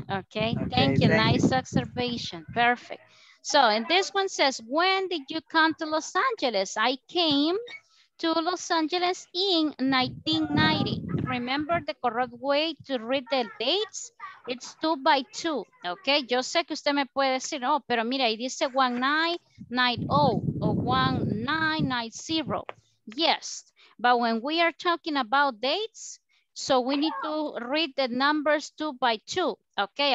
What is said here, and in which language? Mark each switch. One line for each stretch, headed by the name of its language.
English: Exactly, okay. Thank you, nice observation, perfect. So, and this one says, when did you come to Los Angeles? I came to Los Angeles in 1990. Remember the correct way to read the dates? It's 2x2, okay?
Spanish: Yo sé que usted me puede decir, oh, pero mira, ahí dice 1990 or 1990.
English: Yes, but when we are talking about dates, so we need to read the numbers 2x2, okay?